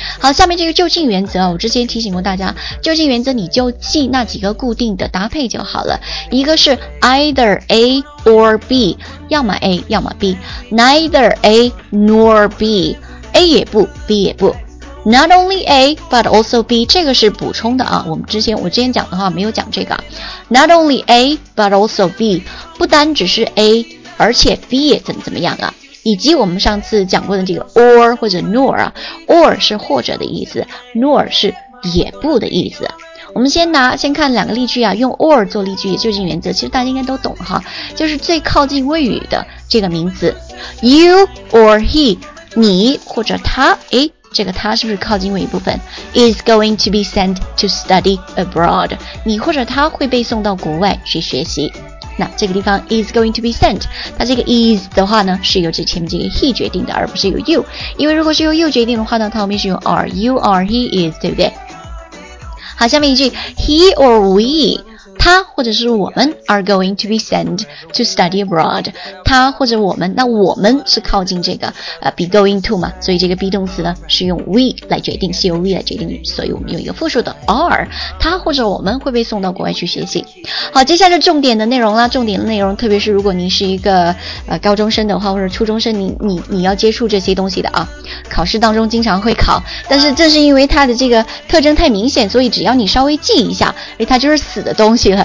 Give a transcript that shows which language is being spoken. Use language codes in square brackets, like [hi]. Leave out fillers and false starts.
[zh] 好，下面这个就近原则，我之前提醒过大家，就近原则你就记那几个固定的搭配就好了，一个是 [en] either A or B， [zh] 要么 A 要么 B， [en] neither A nor B， [zh] A 也不 B 也不， [en] Not only A, but also B， [zh] 这个是补充的啊。我之前讲的话没有讲这个。 [en] Not only A, but also B， [zh] 不单只是 A， 而且 B 也怎么样啊。以及我们上次讲过的这个 or 或者 nor 啊， or 是或者的意思， nor 是也不的意思。我们先看两个例句啊，用 or 做例句就近原则，其实大家应该都懂哈，就是最靠近谓语的这个名词。 [en] You or he， [zh] 你或者他，诶这个他是不是靠近谓语部分？ [en] Is going to be sent to study abroad， [zh] 你或者他会被送到国外去学习。那这个地方 [en] is going to be sent， [zh] 它这个 is 的话呢是由这前面这个 he 决定的，而不是由 you， 因为如果是由 you 决定的话呢，它后面是用 are， [en] you are he is， [zh] 对不对？好，下面一句 [en] he or we [zh] 他或者是我们 [en] are going to be sent to study abroad. [zh] 他或者我们，那我们是靠近这个 [en] be going to [zh] 嘛，所以这个 be 动词呢是用 we 来决定，是由 we 来决定，所以我们用一个复数的 are. 他或者我们会被送到国外去学习。好，接下来是重点的内容啦，重点的内容，特别是如果您是一个高中生的话，或者初中生，你要接触这些东西的啊，考试当中经常会考，但是正是因为它的这个特征太明显，所以只要你稍微记一下，哎，它就是死的东西。